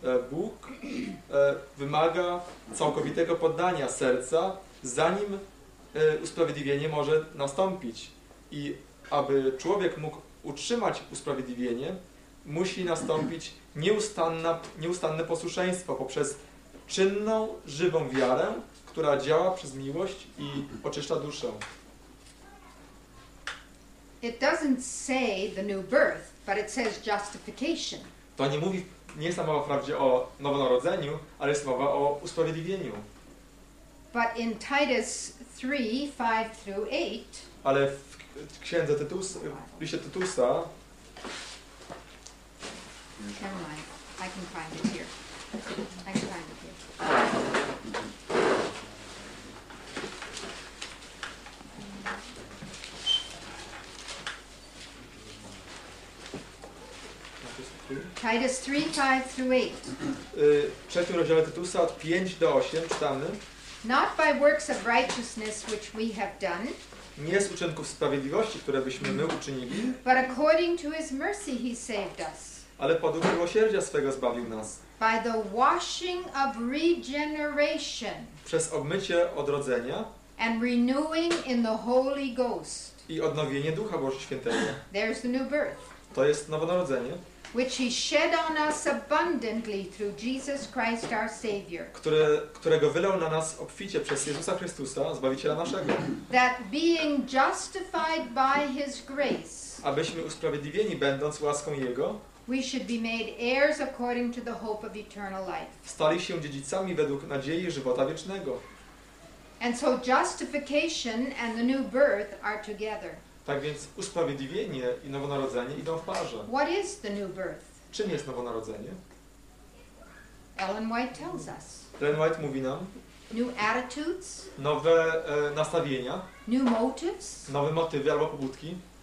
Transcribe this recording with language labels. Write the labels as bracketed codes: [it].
[pl] Bóg wymaga całkowitego poddania serca, zanim usprawiedliwienie może nastąpić. I aby człowiek mógł utrzymać usprawiedliwienie, musi nastąpić nieustanne posłuszeństwo poprzez czynną, żywą wiarę, która działa przez miłość i oczyszcza duszę. [en] It doesn't say the new birth, but it says justification. [pl] To nie mówi, nie jest mowa wprawdzie o nowonarodzeniu, ale jest mowa o usprawiedliwieniu. [en] But in Titus 3:5-8. [pl] Ale w księdze Tytus, w liście Tytusa. [en] Never mind. I can find it here. I can find it here. Titus 3:5-8. [pl] W trzecim rozdziale Tytusa od 5-8 czytamy. [en] Not by works of righteousness which we have done. [pl] Nie z uczynków sprawiedliwości, które byśmy my uczynili. [en] But according to his mercy he saved us. [pl] Ale podług miłosierdzia swego zbawił nas. [en] By the washing of regeneration. [pl] Przez obmycie odrodzenia. [en] And renewing in the Holy Ghost. [pl] I odnowienie Ducha Bożego Świętego. [en] There's the new birth. [pl] To jest nowonarodzenie. [en] Which he shed on us abundantly through Jesus Christ our Savior. [pl] Którego wylał na nas obficie przez Jezusa Chrystusa, Zbawiciela naszego. [en] That being justified by his grace. [pl] Abyśmy usprawiedliwieni będąc łaską Jego. [en] We should be made heirs according to the hope of eternal life. [pl] Stali się dziedzicami według nadziei żywota wiecznego. [en] And so justification and the new birth are together. [pl] Tak więc usprawiedliwienie i nowonarodzenie idą w parze. [en] What is the new birth? [pl] Czym jest nowonarodzenie? [en] Ellen White tells us. [pl] Ellen White mówi nam. [en] New attitudes. [pl] Nowe nastawienia. [en] New motives. [pl] Nowe motywy albo pobudki.